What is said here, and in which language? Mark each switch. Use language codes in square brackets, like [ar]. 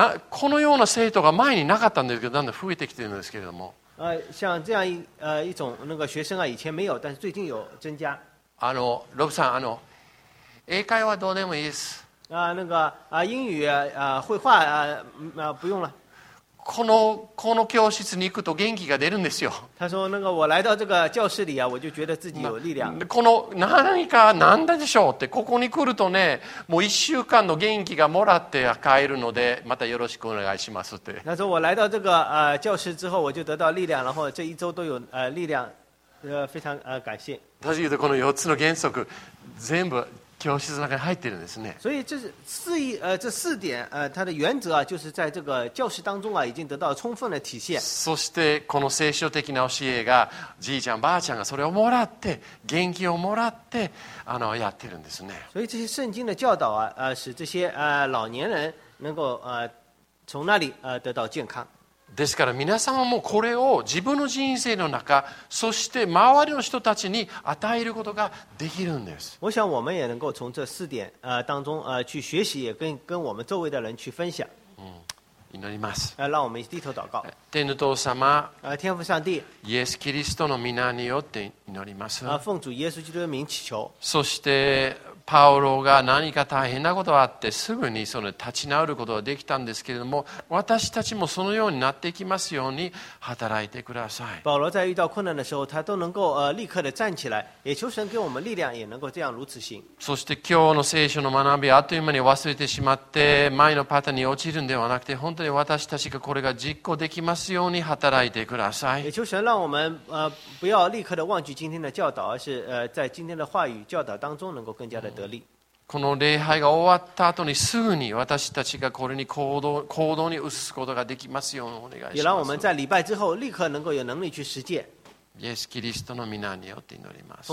[ja] このような生徒が前になかったんですけど、だんだん増えてきてるんですけれども。 [zh] 像这样一种那个学生啊，以前没有，但是最近有增加。 [ja] ロブさん、英会話どうでもいいです。 [zh] 英语绘画不用了。 [ja] この教室に行くと元気が出るんですよ。 [zh] 他说那个我来到这个教室里啊，我就觉得自己有力量。 [ja] この何か何だでしょうって、ここに来るとね、もう一週間の元気がもらって帰るので、またよろしくお願いしますって。 [zh] 他说我来到这个教室之后，我就得到力量，然后这一周都有力量，非常感谢。他说的 [ja] この4つの原則全部教室の中に入ってるんですね。 [zh] 所以这是这四点它的原则就是在这个教室当中已经得到充分的体现。 [ja] そしてこの聖書的な教えが、じいちゃんばあちゃんがそれをもらって元気をもらってやってるんですね。 [zh] 所以这些圣经的教导使这些老年人能够从那里得到健康。 [ja] ですから皆様もこれを自分の人生の中、そして周りの人たちに与えることができるんです。 [zh] 我想我们也能够从这四点当中去学习，也 跟我们周围的人去分享。 [ja] 祈ります。 [zh] 让我们低头祷告。 [ja] 天父様、 [zh] 天父上帝、 [ja] イエスキリストの名によって祈ります。 [zh] 奉主イエス基督の名祈求。 [ja] そしてパウロが何か大変なことがあってすぐにその立ち直ることができたんですけれども、私たちもそのようになっていきますように働いてください。 [zh] パウロ在遇到困難的时候他都能够立刻的站起来，也求神给我们力量，也能够这样如此行。 [ja] そして今日の聖書の学びあっという間に忘れてしまって、前のパターンに落ちるんではなくて、本当に私たちがこれが実行できますように働いてください。 [zh] 也求神让我们不要立刻的忘记今天的教导，而是在今天的话语教导当中能够更加的得力。 [ja] この礼拝が終わった後にすぐに私たちがこれに行動に移すことができますようにお願いします。 [zh] 也让我们在礼拜之后立刻能够有能力去实践。 [ja] イエスキリストの名によって祈ります。